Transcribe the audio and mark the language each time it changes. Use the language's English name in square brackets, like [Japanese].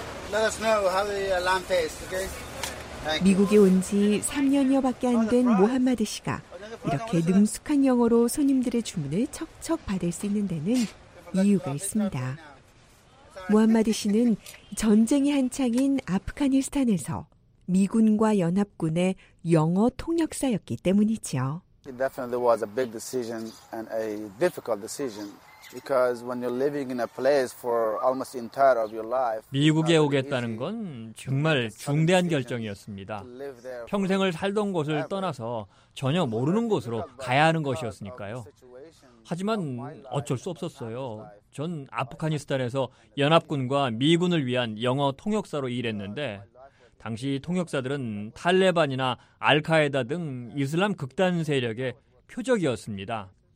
[English] Let us know how the lamb tastes, okay? [Korean] 미국에 온 지 3년여 밖에 안 된 무함마드 씨가 이렇게 능숙한 영어로 손님들의 주문을 척척 받을 수 있는 데는 이유가 있습니다. 무함마드 씨는 전쟁이 한창인 아프가니스탄에서 미군과 연합군의 영어 통역사였기 때문이죠. [English] It definitely was a big decision and a difficult decision because when you're living in a place for almost entire of your life. [Korean] 미국에 오겠다는 건 정말 중대한 결정이었습니다. 평생을 살던 곳을 떠나서 전혀 모르는 곳으로 가야 하는 것이었으니까요. 하지만 어쩔 수 없었어요. 전 아프가니스탄에서 연합군과 미군을 위한 영어 통역사로 일했는데 당시 통역사들은 탈레반이나 알카에다 등 이슬람 극단 세력의 표적이었습니다.